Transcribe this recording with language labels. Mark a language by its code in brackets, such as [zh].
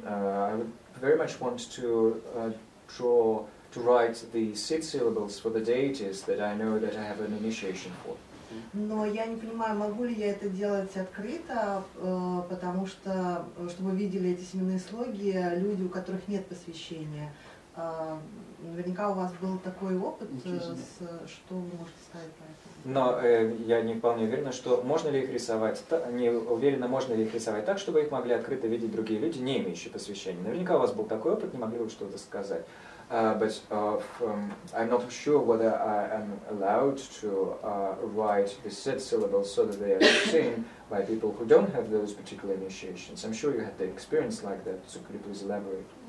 [en] I would very much want to write the seed syllables for the deities that I know that I have an initiation for. [ru] Но я не понимаю, могу ли я это делать открыто, потому что, чтобы видели эти семенные слоги, люди, у которых нет посвящения. Наверняка у вас был такой опыт, что вы можете сказать про это? Но я не вполне уверена, что можно ли их рисовать, не уверена, можно ли их рисовать так, чтобы их могли открыто видеть другие люди, не имеющие посвящения. Наверняка у вас был такой опыт, не могли бы что-то сказать. [en] I'm not sure whether I am allowed to write the set syllables so that they are seen by people who don't have those particular initiations. I'm sure you had the experience like that, so could you please elaborate?